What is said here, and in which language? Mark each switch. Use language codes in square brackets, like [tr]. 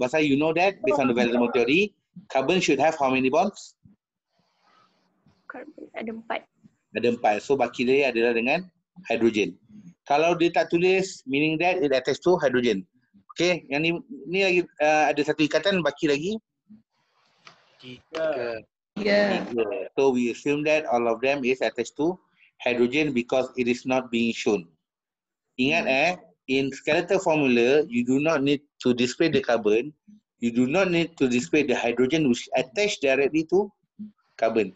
[ms] Pasal [en] you know that, based on the valence theory, carbon should have how many bonds? [ms] Carbon ada 4. Ada 4. So baki dia adalah dengan hydrogen. Kalau dia tak tulis, [en] meaning that it attach to hydrogen. [ms] Okay, yang ni, ni lagi ada satu ikatan, baki lagi. Tiga. [en] Yeah. So we assume that all of them is attached to hydrogen because it is not being shown. [ms] Ingat eh, [en] in skeletal formula, you do not need to display the carbon. You do not need to display the hydrogen which attached directly to carbon.